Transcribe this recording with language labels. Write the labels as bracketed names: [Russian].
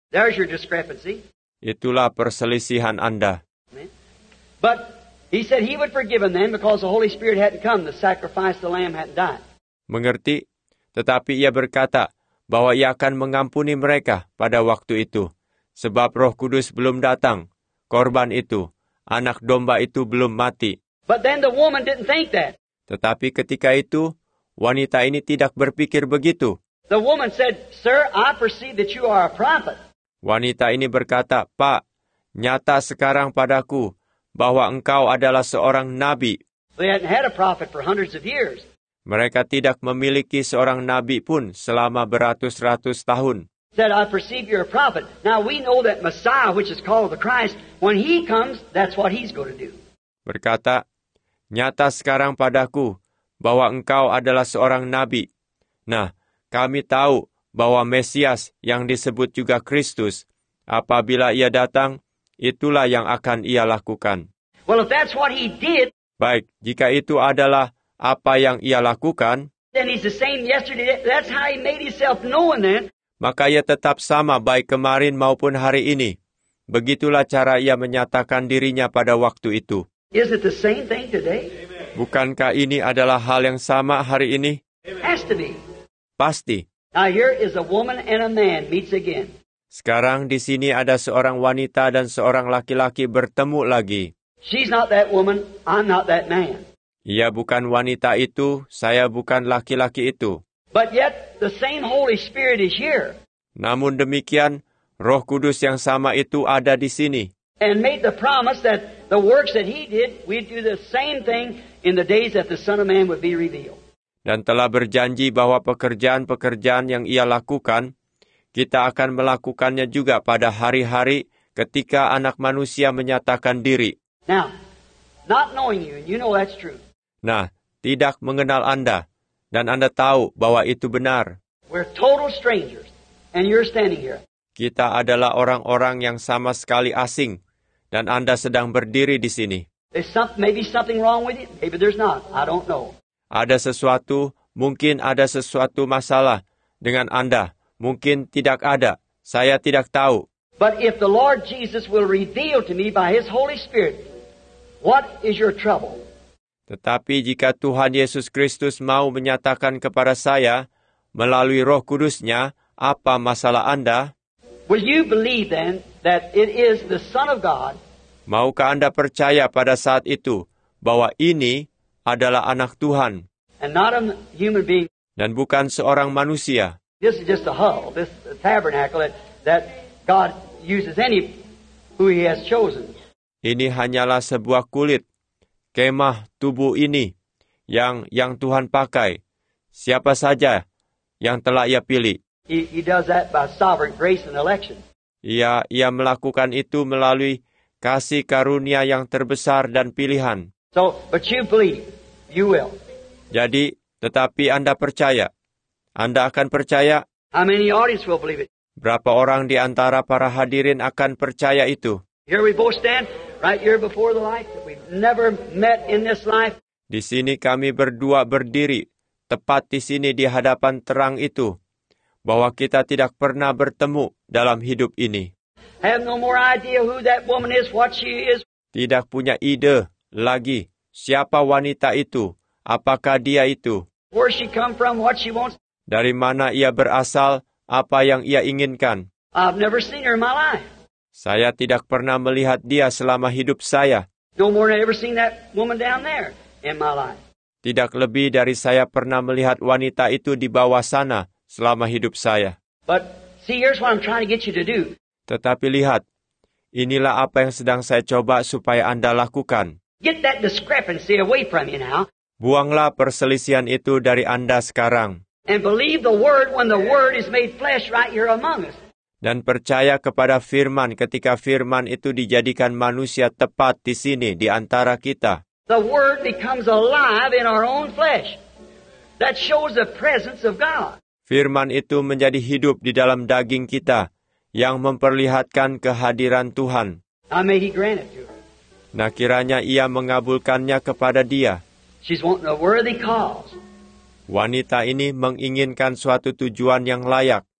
[English] There's your discrepancy. [Indonesian] Itulah perselisihan Anda. [English] But he said he would forgive them because the Holy Spirit hadn't come, the sacrifice of the Lamb hadn't died. [Indonesian] Mengerti? Tetapi ia berkata bahwa ia akan mengampuni mereka pada waktu itu, sebab Roh Kudus belum datang, korban itu, anak domba itu belum mati. [English] But then the woman didn't think that. [Indonesian] Tetapi ketika itu, wanita ini tidak berpikir begitu. [English] The woman said, "Sir, I perceive that you are a prophet." [Indonesian] Wanita ini berkata, "Pak, nyata sekarang padaku bahwa engkau adalah seorang nabi." [English] They hadn't had a prophet for hundreds of years. [Indonesian] Mereka tidak memiliki seorang nabi pun selama beratus-ratus tahun. [English] Said, "I perceive you're a prophet." Now we know that Messiah, which is called the Christ, when he comes, that's what he's going to do. [Indonesian] Berkata, nyata sekarang padaku bahwa engkau adalah seorang nabi. Nah, kami tahu bahwa Mesias yang disebut juga Kristus, apabila ia datang, itulah yang akan ia lakukan. [English] Well, if that's what he did, [Indonesian] baik, jika itu adalah apa yang ia lakukan, [English] then he's the same yesterday. That's how he made himself known then. [Indonesian] Maka ia tetap sama baik kemarin maupun hari ini. Begitulah cara ia menyatakan dirinya pada waktu itu. [English] Is it the same thing today? [Indonesian] Bukankah ini adalah hal yang sama hari ini? [English] Has to be. [Indonesian] Pasti. [English] Now here is a woman and a man meets again. [Indonesian] Sekarang di sini ada seorang wanita dan seorang laki-laki bertemu lagi. [English] She's not that woman, I'm not that man. [Indonesian] Ia bukan wanita itu, saya bukan laki-laki itu. [English] But yet the same Holy Spirit is here. [Indonesian] Namun demikian, Roh Kudus yang sama itu ada di sini. [English] And made the promise that the works that he did, we'd do the same thing in the days that the Son of Man would be revealed. [Indonesian] Dan telah berjanji bahwa pekerjaan-pekerjaan yang ia lakukan, kita akan melakukannya juga pada hari-hari ketika Anak Manusia menyatakan diri. [English] Now, not knowing you, and you know that's true. [Indonesian] Nah, tidak mengenal Anda, dan Anda tahu bahwa itu benar. [English] We're total strangers, and you're standing here. [Indonesian] Kita adalah orang-orang yang sama sekali asing, dan Anda sedang berdiri di sini. [English] There's maybe something wrong with it. Maybe there's not. I don't know. [Indonesian] Ada sesuatu, mungkin ada sesuatu masalah dengan Anda. Mungkin tidak ada. Saya tidak tahu. [English] But if the Lord Jesus will reveal to me by His Holy Spirit, what is your trouble? [Indonesian] Tetapi jika Tuhan Yesus Kristus mau menyatakan kepada saya, melalui Roh Kudus-Nya, apa masalah Anda? [English] Will you believe then that it is the Son of God? [Indonesian] Maukah Anda percaya pada saat itu bahwa ini adalah Anak Tuhan? [English] And not a human being. [Indonesian] Dan bukan seorang manusia. [English] This is just a hull, this tabernacle that God uses any who He has chosen. [Indonesian] Ini hanyalah sebuah kulit, kemah tubuh ini yang Tuhan pakai. Siapa saja yang telah Ia pilih. [English] He does that by sovereign grace and election. [Indonesian] Ia melakukan itu melalui kasih karunia yang terbesar dan pilihan. [English] So, but you believe, you will. [Indonesian] Jadi, tetapi Anda percaya. Anda akan percaya. [English] How many audience will believe it? [Indonesian] Berapa orang di antara para hadirin akan percaya itu? [English] Here we both stand, right here before the light that we've never met in this life. [Indonesian] Di sini kami berdua berdiri, tepat di sini di hadapan terang itu, bahwa kita tidak pernah bertemu dalam hidup ini. [English] Have no more idea who that woman is, what she is. [Indonesian] Tidak punya ide lagi siapa wanita itu, apakah dia itu. [English] Where she come from, what she wants. [Indonesian] Dari mana ia berasal, apa yang ia inginkan. [English] I've never seen her in my life. [Indonesian] Saya tidak pernah melihat dia selama hidup saya. [English] No more than I ever seen that woman down there in my life. [Indonesian] Tidak lebih dari saya pernah melihat wanita itu di bawah sana selama hidup saya. [English] But see, here's what I'm trying to get you to do. [Indonesian] Tetapi lihat, inilah apa yang sedang saya coba supaya Anda lakukan. [English] Get that discrepancy away from you now. [Indonesian] Buanglah perselisihan itu dari Anda sekarang. [English] And believe the word when the word is made flesh right here among us. [Indonesian] Dan percaya kepada firman ketika firman itu dijadikan manusia tepat di sini, di antara kita. [English] The word becomes alive in our own flesh. That shows the presence of God. [Indonesian] Firman itu menjadi hidup di dalam daging kita yang memperlihatkan kehadiran Tuhan. [English] May he grant it to her. [Indonesian] Nah, kiranya ia mengabulkannya kepada dia. [English] She's wanting a worthy cause. [Indonesian] Wanita ini menginginkan suatu tujuan yang layak.